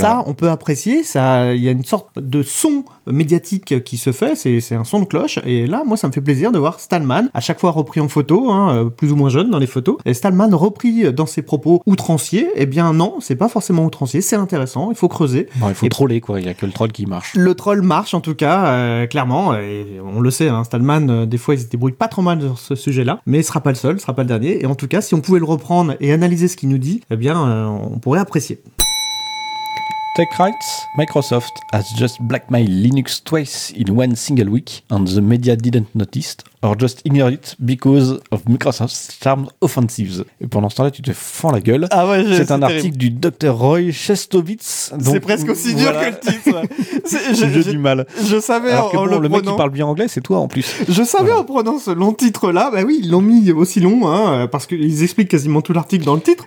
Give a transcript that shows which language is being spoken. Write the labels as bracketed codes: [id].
[fr] Ça, on peut apprécier, il y a une sorte de son médiatique qui se fait, c'est un son de cloche, et là, moi, ça me fait plaisir de voir Stallman, à chaque fois repris en photo, hein, plus ou moins jeune dans les photos, et Stallman repris dans ses propos outranciers, eh bien non, c'est pas forcément outrancier, c'est intéressant, il faut creuser. Bon, il faut troller, quoi, il n'y a que le troll qui marche. Le troll marche, en tout cas, clairement, et on le sait, hein, Stallman, des fois, il se débrouille pas trop mal sur ce sujet-là, mais il sera pas le seul, il sera pas le dernier, et en tout cas, si on pouvait le reprendre et analyser ce qu'il nous dit, eh bien, on pourrait apprécier. [en] TechRights, Microsoft has just blackmailed Linux twice in one single week and the media didn't notice or just ignored it because of Microsoft's charmed offensives. [fr] Et pendant ce temps-là, tu te fends la gueule. Ah ouais, c'est un terrible. Article du Dr. Roy Shestovitz. C'est presque aussi dur que le titre. J'ai du mal. Je savais alors en bon, le prenant... Le mec qui parle bien anglais, c'est toi en plus. Je savais en prenant ce long titre-là. Bah oui, ils l'ont mis aussi long, hein, parce qu'ils expliquent quasiment tout l'article dans le titre.